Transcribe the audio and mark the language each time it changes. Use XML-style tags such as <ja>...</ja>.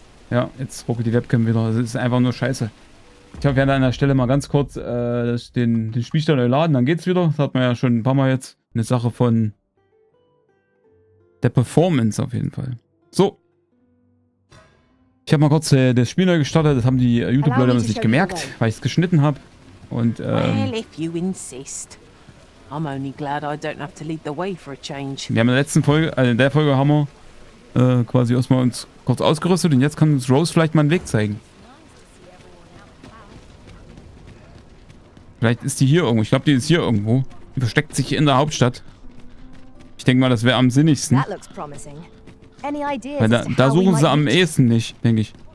<de>Ja, jetzt ruckelt die Webcam wieder. Das ist einfach nur scheiße. Ich hoffe, wir werden an der Stelle mal ganz kurz den Spielstand neu laden. Dann geht's wieder. Das hat man ja schon ein paar Mal jetzt. Eine Sache von der Performance auf jeden Fall. So. Ich habe mal kurz das Spiel neu gestartet. Das haben die YouTube-Leute haben es nicht gemerkt, weil ich es geschnitten habe. Und,</de> <en>Well, if you insist. I'm only glad I don't have to lead the way for a change.</en> <de>Wir haben in der letzten Folge, also in der Folge haben wir quasi erstmal uns kurz ausgerüstet und jetzt kann uns Rose vielleicht mal einen Weg zeigen. Vielleicht ist die hier irgendwo. Ich glaube, die ist hier irgendwo. Die versteckt sich in der Hauptstadt. Ich denke mal, das wäre am sinnigsten. Weil da suchen sie am ehesten nicht, denke ich.</de>